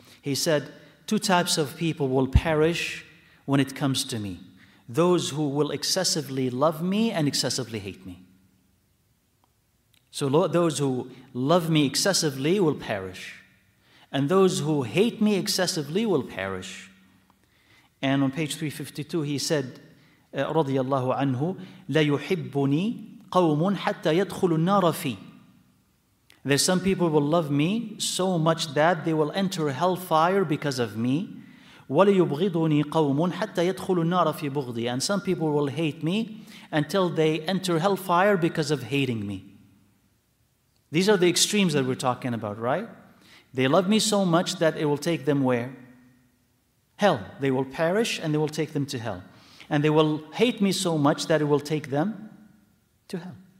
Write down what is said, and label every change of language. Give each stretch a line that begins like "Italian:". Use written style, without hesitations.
English: He said, two types of people will perish when it comes to me. Those who will excessively love me and excessively hate me. So those who love me excessively will perish. And those who hate me excessively will perish. And on page 352, he said,
Arabic: رضي الله عنه لا يحبني قوم حتى يدخل النار في.
English: There's some people will love me so much that they will enter hellfire because of me.
Arabic: ولا يبغضني قوم حتى يدخل النار في بغضي.
English: And some people will hate me until they enter hellfire because of hating me. These are the extremes that we're talking about, right? They love me so much that it will take them where? Hell. They will perish and they will take them to hell. And they will hate me so much that it will take them to hell.